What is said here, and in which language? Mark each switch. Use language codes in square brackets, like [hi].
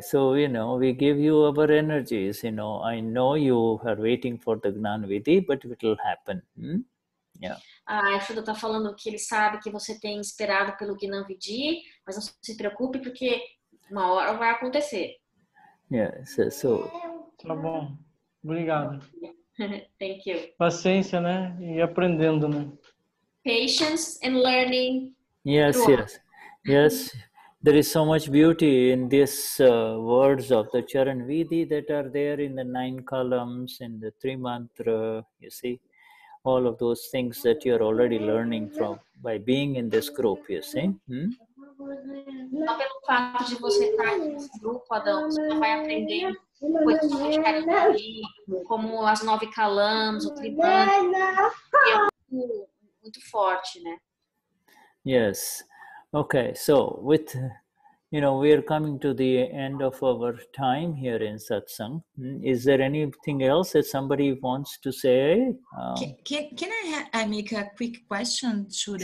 [en] So, you know, we give you our energies, you know. I know you are waiting for the Gnanvidhi, but it will happen. Hmm? Yeah. [pt] Ah, Shuddha está falando que ele sabe que você tem esperado pelo Gnanvidhi, mas não se preocupe porque uma hora vai acontecer. [en] Yeah, so. [pt] Tá bom. Obrigado. [en] Thank you. [pt] Paciência, né? E aprendendo, né? [en] Patience and learning. Yes, yes. Yes. There is so much beauty in these words of the Charanvidhi that are there in the nine columns, in the three mantra, you see. All of those things that you're already learning from by being in this group, you see. [pt] Só pelo fato de você estar nesse grupo, Adão, você vai aprender coisas que você quer ali, como as nove calãs, o tribano, que é muito forte, né? [en] Yes. Okay, so with, you know, we are coming to the end of our time here in Satsang. Is there anything else that somebody wants to say? Can I make a quick question to the...